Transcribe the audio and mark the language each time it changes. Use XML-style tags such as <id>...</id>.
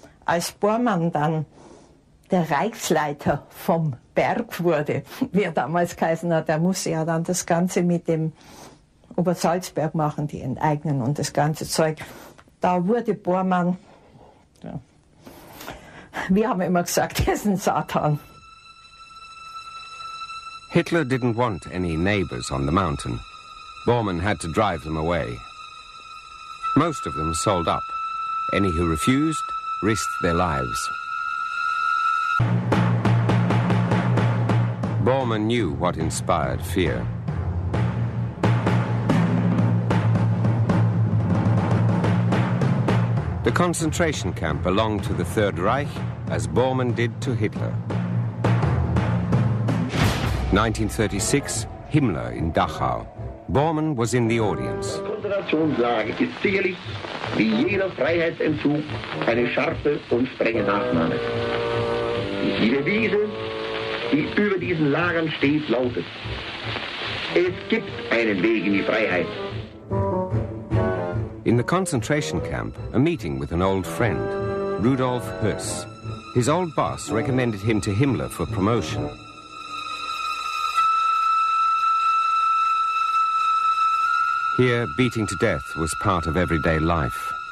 <de>Als Bormann dann der Reichsleiter vom Berg wurde, wie er damals geheißen hat, der musste ja dann das Ganze mit dem Obersalzberg machen, die enteignen und das ganze Zeug. Da wurde Bormann, ja, wir haben immer gesagt, er ist ein Satan.</de> <en>Hitler didn't want any neighbors on the mountain. Bormann had to drive them away. Most of them sold up. Any who refused risked their lives. Bormann knew what inspired fear. The concentration camp belonged to the Third Reich, as Bormann did to Hitler. 1936, Himmler in Dachau. Bormann was in the audience.</en> <de>Die Konzentrationslage ist sicherlich, wie jeder Freiheitsentzug, eine scharfe und strenge Nachnahme. Die Devise, die über diesen Lagern steht, lautet: Es gibt einen Weg in die Freiheit.</de> <en>In the concentration camp, a meeting with an old friend, Rudolf Höss. His old boss recommended him to Himmler for promotion. Here, beating to death was part of everyday life.</en>